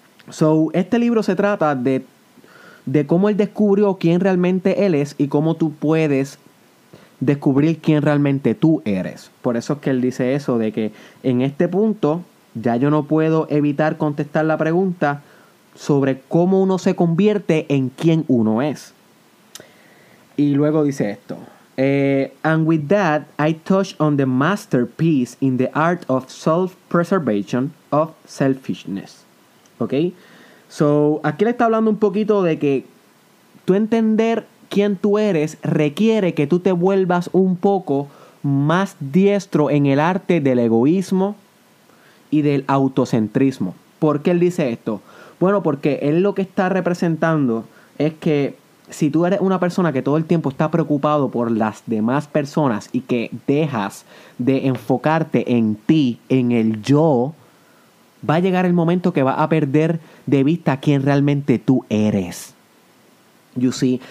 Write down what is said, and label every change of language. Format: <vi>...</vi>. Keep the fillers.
<es>So, este libro se trata de, de cómo él descubrió quién realmente él es y cómo tú puedes descubrir quién realmente tú eres. Por eso es que él dice eso, de que en este punto ya yo no puedo evitar contestar la pregunta sobre cómo uno se convierte en quien uno es. Y luego dice esto.</es> <en>eh, and with that, I touch on the masterpiece in the art of self-preservation of selfishness.</en> <es>¿Ok? So, aquí le está hablando un poquito de que tú entender quién tú eres requiere que tú te vuelvas un poco más diestro en el arte del egoísmo y del autocentrismo. ¿Por qué él dice esto? Bueno, porque él lo que está representando es que si tú eres una persona que todo el tiempo está preocupado por las demás personas y que dejas de enfocarte en ti, en el yo, va a llegar el momento que vas a perder de vista quién realmente tú eres. You see.</es>